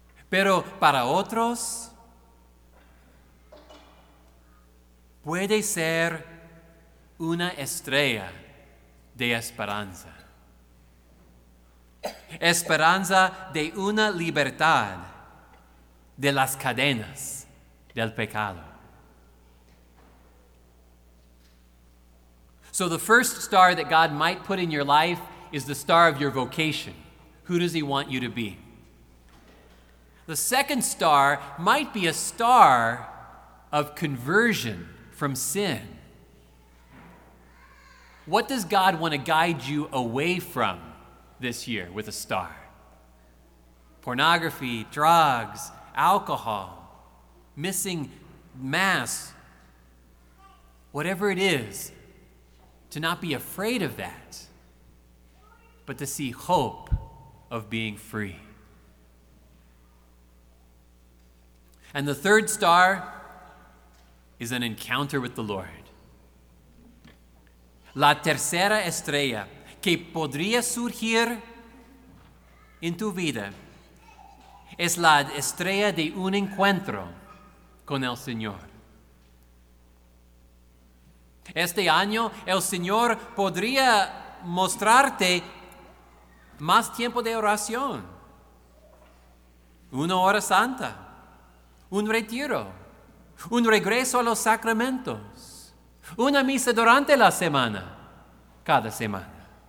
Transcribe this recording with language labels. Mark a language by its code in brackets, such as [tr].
[es] Pero para otros, puede ser una estrella de esperanza. Esperanza de una libertad de las cadenas del pecado. [en] So the first star that God might put in your life is the star of your vocation. Who does He want you to be? The second star might be a star of conversion from sin. What does God want to guide you away from this year with a star? Pornography, drugs, alcohol, missing mass, whatever it is, to not be afraid of that, but to see hope of being free. And the third star is an encounter with the Lord. [es] La tercera estrella que podría surgir en tu vida es la estrella de un encuentro con el Señor. Este año el Señor podría mostrarte más tiempo de oración, una hora santa, un retiro, un regreso a los sacramentos, una misa durante la semana, cada semana.